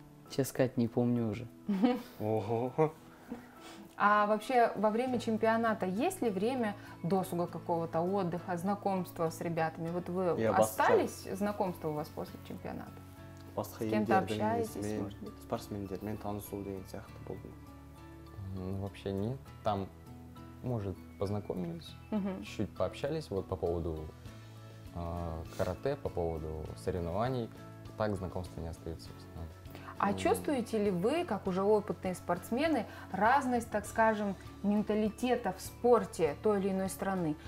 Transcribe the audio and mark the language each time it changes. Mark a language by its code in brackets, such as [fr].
[ru] Честно сказать, не помню уже. Ого. А вообще во время чемпионата есть ли время досуга какого-то, отдыха, знакомства с ребятами? Вот вы остались знакомства у вас после чемпионата? С кем-то общаетесь, может быть? [kk] Спортсмендер, мен танысу деген сияқты болды. [ru] Вообще нет. Там, может, познакомились, чуть пообщались вот по поводу карате, по поводу соревнований. Так знакомства не остаются, собственно. А чувствуете ли вы, как уже опытные спортсмены, разность, так скажем, менталитета в спорте той или иной страны?